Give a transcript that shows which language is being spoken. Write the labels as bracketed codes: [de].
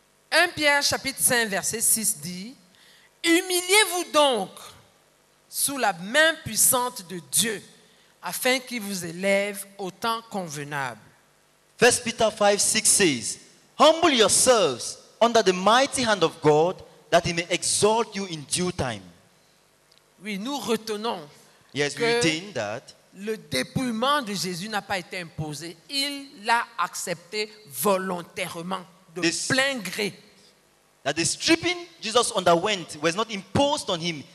[fr] 1 Pierre chapitre 5 verset 6 dit, humiliez-vous donc sous la main puissante de Dieu, afin qu'il vous élève au temps convenable. [en] 1 Peter 5, 6 says, humble yourselves under the mighty hand of God, that he may exalt you in due time. [fr] Oui, nous retenons [en] that [fr] le dépouillement de Jésus n'a pas été imposé. Il l'a accepté volontairement, plein gré. [en] That the stripping Jesus underwent was not imposed on him.